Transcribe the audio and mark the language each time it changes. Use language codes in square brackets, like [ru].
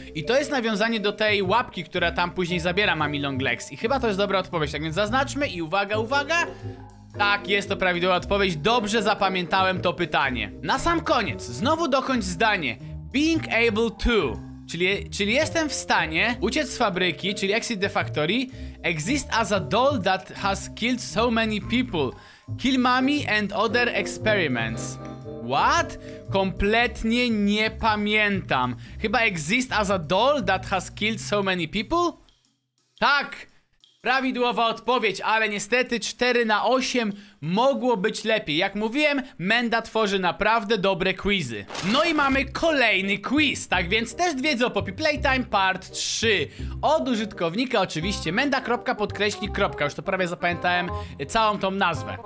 [pl] I to jest nawiązanie do tej łapki, która tam później zabiera Mommy Long Legs. I chyba to jest dobra odpowiedź, tak więc zaznaczmy i uwaga, uwaga. Tak, jest to prawidłowa odpowiedź, dobrze zapamiętałem to pytanie. Na sam koniec, znowu dokończ zdanie. [en] Being able to, [pl] czyli jestem w stanie uciec z fabryki, czyli [en] exit the factory, exist as a doll that has killed so many people, kill mommy and other experiments. What? [pl] Kompletnie nie pamiętam. Chyba [en] exist as a doll that has killed so many people? [pl] Tak! Prawidłowa odpowiedź, ale niestety 4 na 8 mogło być lepiej. Jak mówiłem, Menda tworzy naprawdę dobre quizy. No i mamy kolejny quiz, tak więc test wiedzy o Poppy Playtime part 3. Od użytkownika oczywiście menda.podkreśli. Już to prawie zapamiętałem całą tą nazwę.